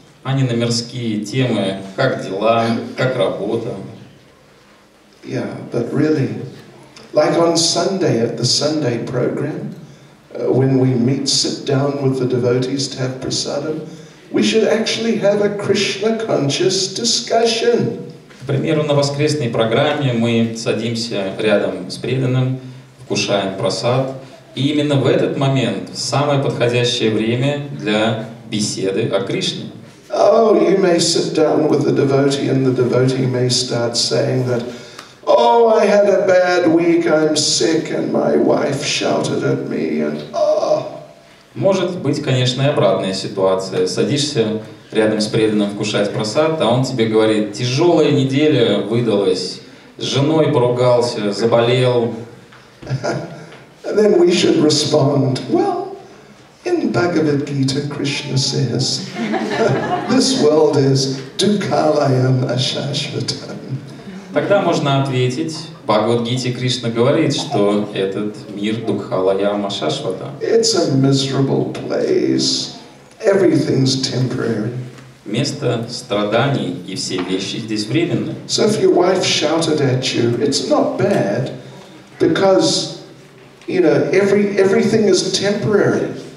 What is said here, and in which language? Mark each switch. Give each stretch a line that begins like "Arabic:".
Russian: А не на мирские темы, как дела, как работа.
English: Yeah, but really, like on Sunday, at the Sunday program, when we meet, sit down with the devotees to have prasadam, we should actually have a Krishna conscious discussion.
Russian: К примеру, на воскресной программе мы садимся рядом с преданным, вкушаем просад. И именно в этот момент самое подходящее время для беседы о Кришне.
English: Oh, you may sit down with the devotee, and the devotee may start saying that, oh, I had a bad week, I'm sick, and my wife shouted at me, and oh.
Russian: Может быть, конечно, и обратная ситуация. Садишься рядом с преданным вкушать просад, а он тебе говорит: тяжелая неделя выдалась, с женой поругался, заболел.
English: And then we should respond, well, in Bhagavad Gita Krishna says, this world is dukalayam ashashvatam.
Russian: Тогда можно ответить: Бхагавад Гите Кришна говорит, что этот мир дукхалаям ашашватам.
English: It's a miserable place. Everything's temporary.
Russian: Место страданий и все вещи здесь временны.
English: So if your wife shouted at you, it's not bad, because, you know, everything is temporary.